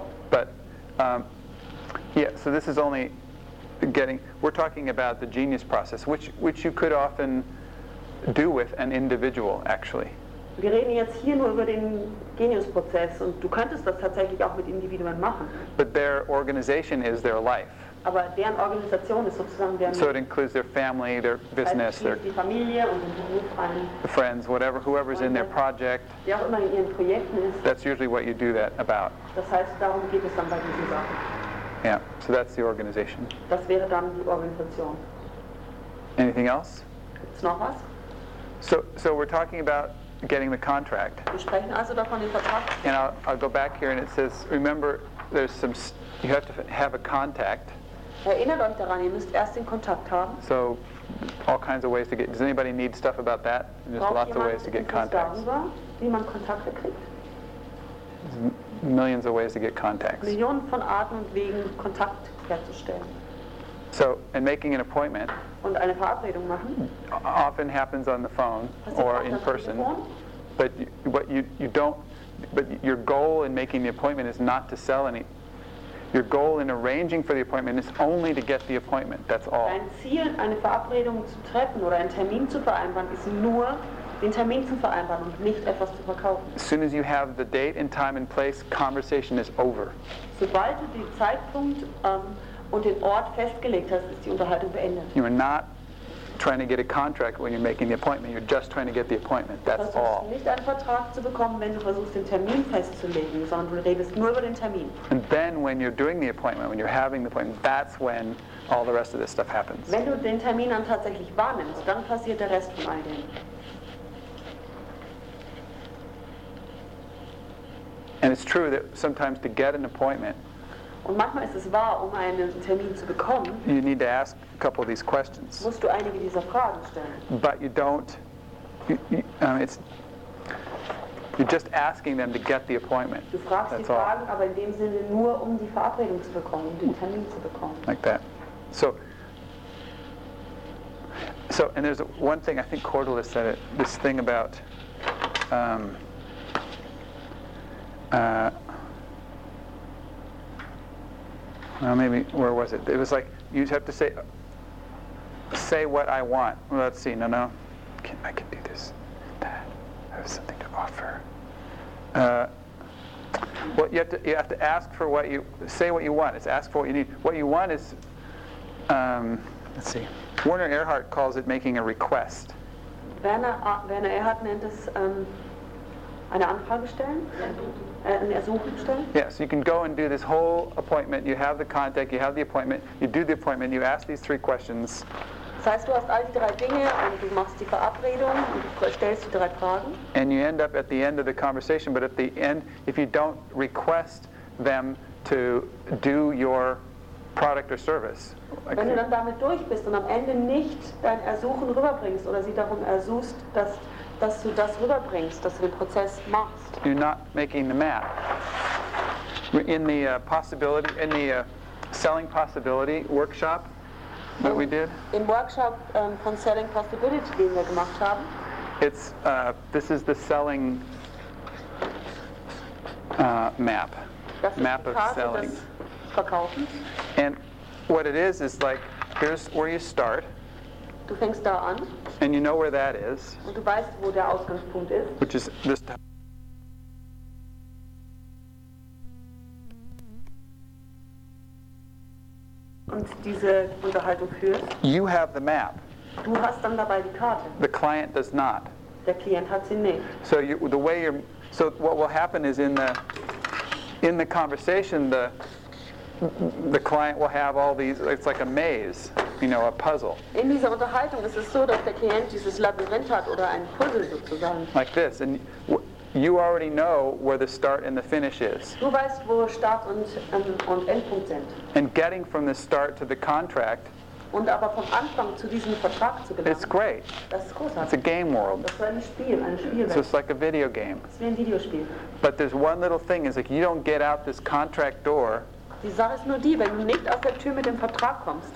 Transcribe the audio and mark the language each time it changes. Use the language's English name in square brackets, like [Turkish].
[English] But, yeah, so this is only getting, we're talking about the genius process, which you could often do with an individual, actually. [German] Wir reden jetzt hier nur über den Genius-Prozess und du könntest das tatsächlich auch mit Individuen machen. [English] But their organization is their life. [German] Aber deren Organisation ist sozusagen deren [English] So it includes their family, their business, [German] also die Familie und den Beruf an [English] the friends, whatever, whoever's [German] Freunde, [English] in their project. [German] Wer auch immer in ihren Projekten ist. [English] That's usually what you do that about. [German] Das heißt, darum geht es dann bei diesen Sachen. [English] Yeah, so that's the organization. [German] Das wäre dann die Organisation. [English] Anything else? [German] Gibt's noch was? [English] So we're talking about getting the contract. [German] Wir sprechen also davon, den Vertrag. [English] And I'll go back here and it says, remember, there's some, you have to have a contact. [German] Erinnert euch daran, ihr müsst erst den Kontakt haben. [English] So, all kinds of ways to get, does anybody need stuff about that? There's [German] braucht [English] lots of ways to get contacts. [German] Darüber, wie man Kontakte kriegt? [English] Millions of ways to get contacts. [German] Millionen von Arten und Wegen, Kontakt herzustellen. [English] So, and making an appointment [German] und eine Verabredung machen. [English] Often happens on the phone [German] passiert [English] or in person. [German] Telefon? [English] But your goal in making the appointment is not to sell any. Your goal in arranging for the appointment is only to get the appointment. That's all. [German] Dein Ziel, eine Verabredung zu treffen oder einen Termin zu vereinbaren, ist nur, den Termin zu vereinbaren und nicht etwas zu verkaufen. [English] As soon as you have the date and time and place, conversation is over. [German] Sobald du den Zeitpunkt und den Ort festgelegt hast, ist die Unterhaltung beendet. [English] You are not trying to get a contract when you're making the appointment. You're just trying to get the appointment. That's all. [German] Du versuchst nicht einen Vertrag zu bekommen, wenn du versuchst den Termin festzulegen, sondern du redest nur über den Termin. [English] And then when you're doing the appointment, when you're having the appointment, that's when all the rest of this stuff happens. [German] Wenn du den Termin dann tatsächlich wahrnimmst, dann passiert der Rest von all dem. [English] And it's true that sometimes to get an appointment, [German] und manchmal ist es wahr, um einen Termin zu bekommen, [English] you need to ask a couple of these questions. [German] Musst du einige dieser Fragen stellen. [English] But you don't, you're just asking them to get the appointment. [German] Du fragst [English] That's [German] die Fragen, [English] all. [German] Aber in dem Sinne nur, um die Verabredung zu bekommen, um den Termin zu bekommen. [English] Like that. So, and there's one thing, I think Cordelis said it, this thing about, it was like, you have to say what I want. Well, let's see, no. I can do this, that, I have something to offer. You have to ask for what you, say what you want, it's ask for what you need. What you want is, let's see, Werner Erhard calls it making a request. [German] Werner Erhard nennt es eine Anfrage stellen, eine Ersuchung stellen. [English] Yes, you can go and do this whole appointment, you have the contact, you have the appointment, you do the appointment, you ask these three questions. [German] Das heißt, du hast all die drei Dinge und du machst die Verabredung und du stellst die drei Fragen. [English] And you end up at the end of the conversation, but at the end, if you don't request them to do your product or service. Okay. [German] Wenn du dann damit durch bist und am Ende nicht dein Ersuchen rüberbringst oder sie darum ersuchst, dass du das rüberbringst, dass du den Prozess machst. [English] You're not making the map. In the possibility, in the selling possibility workshop that we did. [German] Im Workshop von Selling Possibility, den wir gemacht haben. [English] It's this is the selling map. [German] Das ist [English] map [German] die Karte [English] of selling. [German] Verkaufen. [English] And what it is like, here's where you start. [German] Du fängst da an. [English] And you know where that is. [German] Und du weißt, wo der Ausgangspunkt ist. [English] Which is this. [German] Und diese Unterhaltung führst. [English] You have the map. [German] Du hast dann dabei die Karte. [English] The client does not. [German] Der Klient hat sie nicht. [English] So you, the way you're, so what will happen is in the conversation, the client will have all these, it's like a maze, you know, a puzzle. [German] In dieser Unterhaltung ist es so, dass der Klient dieses Labyrinth hat oder ein Puzzle sozusagen. [English] Like this, and you already know where the start and the finish is. [German] Du weißt, wo Start und Endpunkt sind. [English] And getting from the start to the contract. [German] Und aber vom Anfang zu diesem Vertrag zu gelangen. [English] It's great. [German] Das ist großartig. [English] It's a game world. [German] Das ist ein Spiel, eine Spielwelt. [English] So it's like a video game. [German] Es ist wie ein Videospiel. [English] But there's one little thing, is like you don't get out this contract door. [German] Die Sache ist nur die, wenn du nicht aus der Tür mit dem Vertrag kommst.